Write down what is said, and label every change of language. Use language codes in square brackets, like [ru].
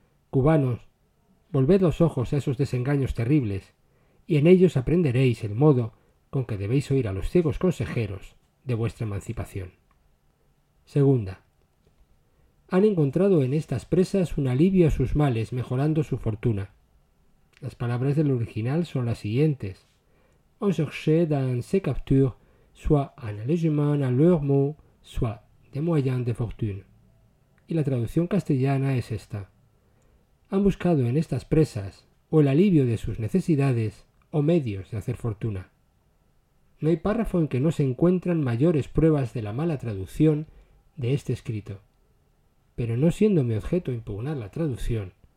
[es] Cubanos, volved los ojos a esos desengaños terribles, y en ellos aprenderéis el modo con que debéis oír a los ciegos consejeros de vuestra emancipación. Segunda. Han encontrado en estas presas un alivio a sus males, mejorando su fortuna. Las palabras del original son las siguientes. [fr] On cherchait dans ces captures soit un allégement à leur mot, soit des moyens de fortune. [es] Y la traducción castellana es esta. Han buscado en estas presas o el alivio de sus necesidades o medios de hacer fortuna. No hay párrafo en que no se encuentran mayores pruebas de la mala traducción de este escrito. Pero no siendo mi objeto impugnar la traducción,